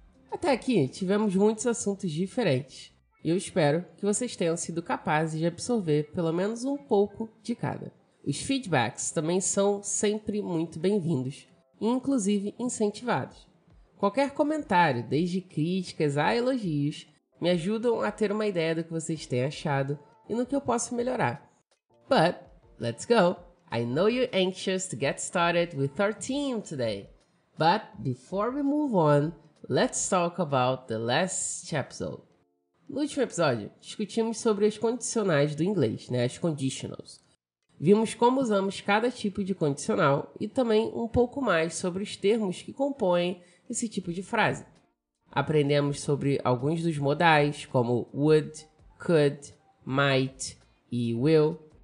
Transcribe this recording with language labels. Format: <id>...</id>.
<pt>Até aqui tivemos muitos assuntos diferentes e eu espero que vocês tenham sido capazes de absorver pelo menos um pouco de cada. Os feedbacks também são sempre muito bem-vindos e inclusive incentivados. Qualquer comentário, desde críticas a elogios, me ajudam a ter uma ideia do que vocês têm achado e no que eu posso melhorar.</pt> <en>But, let's go! I know you're anxious to get started with our team today. But, before we move on, let's talk about the last episode.</en> <pt>No último episódio, discutimos sobre as condicionais do inglês, né? As conditionals. Vimos como usamos cada tipo de condicional e também um pouco mais sobre os termos que compõem esse tipo de frase. Aprendemos sobre alguns dos modais, como would, could, might e will.</pt>